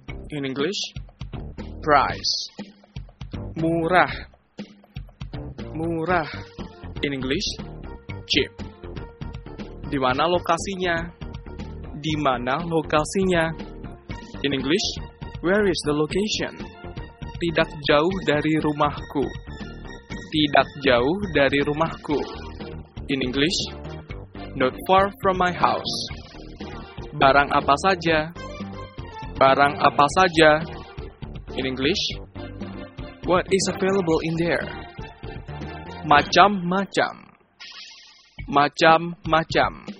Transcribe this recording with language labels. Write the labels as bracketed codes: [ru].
[en] In English, price. [id] Murah. Murah. [en] In English, cheap. [id] Di mana lokasinya? Di mana lokasinya? [en] In English, where is the location? [id] Tidak jauh dari rumahku. Tidak jauh dari rumahku. [en] In English, not far from my house. [id] Barang apa saja? Barang apa saja? [en] In English, what is available in there? [id] Macam-macam. Macam-macam.